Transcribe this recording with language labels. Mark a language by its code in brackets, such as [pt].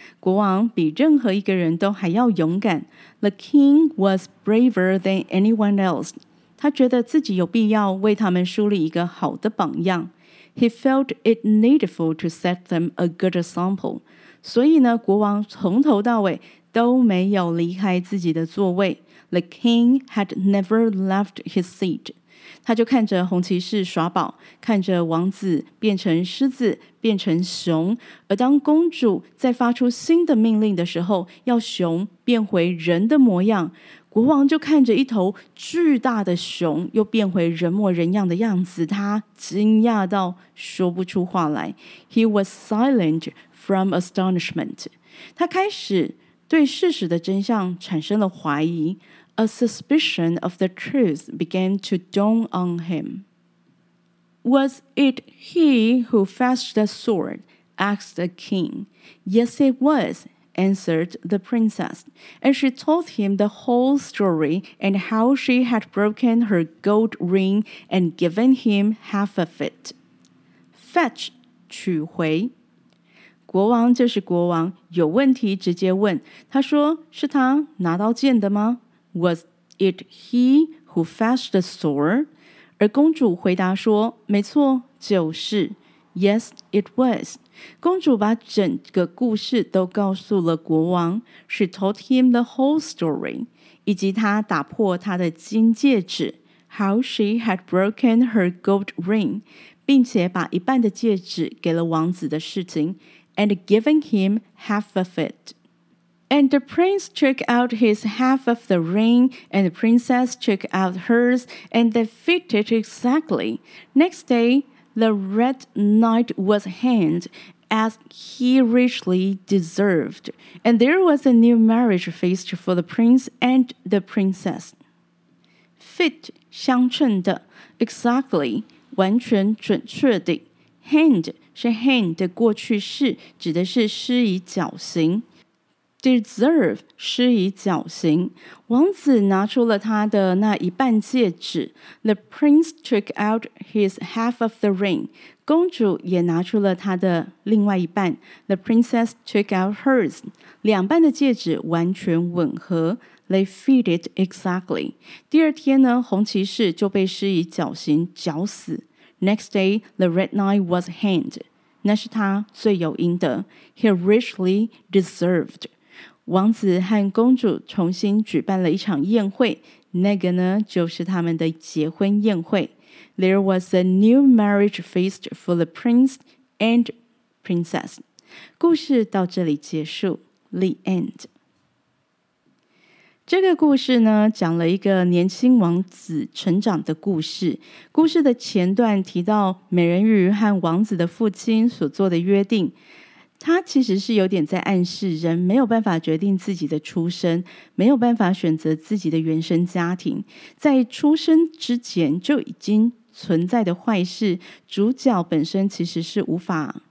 [zh] 国王比任何一个人都还要勇敢。 [en] The king was braver than anyone else. [zh] 他觉得自己有必要为他们树立一个好的榜样。 [en] He felt it needful to set them a good example. [zh] 所以呢，国王从头到尾都没有离开自己的座位。 [en] The king had never left his seat. [zh] 他就看着红骑士耍宝，看着王子变成狮子，变成熊。而当公主在发出新的命令的时候，要熊变回人的模样，国王就看着一头巨大的熊又变回人模人样的样子，他惊讶到说不出话来。 [en] He was silent from astonishment. [zh] 他开始对事实的真相产生了怀疑。 [en] A suspicion of the truth began to dawn on him. Was it he who fetched the sword? Asked the king. Yes, it was, answered the princess. And she told him the whole story and how she had broken her gold ring and given him half of it. Fetch, 取回。 [zh] 国王就是国王，有问题直接问。他说，是他拿到剑的吗？ [en] Was it he who fetched the sword? [zh] 而公主回答说，没错，就是。 [en] Yes, it was. [zh] 公主把整个故事都告诉了国王。 [en] She told him the whole story. [zh] 以及她打破她的金戒指。 [en] How she had broken her gold ring. [zh] 并且把一半的戒指给了王子的事情。 [en] And giving him half of it. And the prince took out his half of the ring, and the princess took out hers, and they fitted exactly. Next day, the red knight was hanged, as he richly deserved. And there was a new marriage feast for the prince and the princess. [zh] Fit, 相称的, exactly, 完全准确的, hanged,是 hand 的过去式，指的是施以绞刑。 Deserve 施以绞刑。王子拿出了他的那一半戒指。 [en] The prince took out his half of the ring. [zh] 公主也拿出了他的另外一半。 [en] The princess took out hers. [zh] 两半的戒指完全吻合。 [en] They fitted exactly. [zh] 第二天呢，红骑士就被施以绞刑，绞死。 [en] Next day, the red knight was hanged. [zh] 那是他罪有应得。 [en] He richly deserved. [zh] 王子和公主重新举办了一场宴会。那个呢，就是他们的结婚宴会。 [en] There was a new marriage feast for the prince and princess. [zh] 故事到这里结束。 [en] The end. [zh] 这个故事呢，讲了一个年轻王子成长的故事。故事的前段提到美人鱼和王子的父亲所做的约定，他其实是有点在暗示人没有办法决定自己的出生，没有办法选择自己的原生家庭，在出生之前就已经存在的坏事，主角本身其实是无法